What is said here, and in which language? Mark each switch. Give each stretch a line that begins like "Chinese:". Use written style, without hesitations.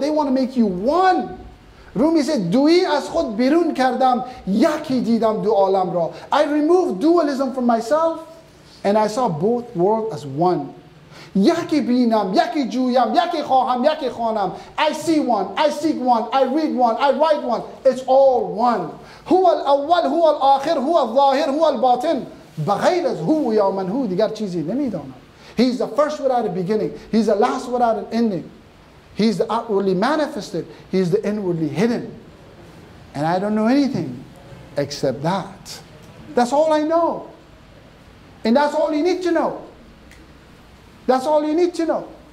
English: They want to make you one. Rumi said,
Persian: Dui as khud birun kardam, yaki didam du alam ra.
English: I removed dualism from myself, and I saw both worlds as one.
Persian: Yaki binam, yaki juyam, yaki khoham, yaki khonam.
English: I see one, I seek one, I read one, I write one. It's all one.
Arabic: Huwa al-awwal, huwa al-akhir, huwa al-zahir, huwa al-batin.
Persian: بغیر از هو یا من هو دیگر چیزی نمیدانم.
English: He's the first without a beginning. He's the last without an ending. He's the outwardly manifested. He's the inwardly hidden. And I don't know anything except that. That's all I know. And that's all you need to know. That's all you need to know.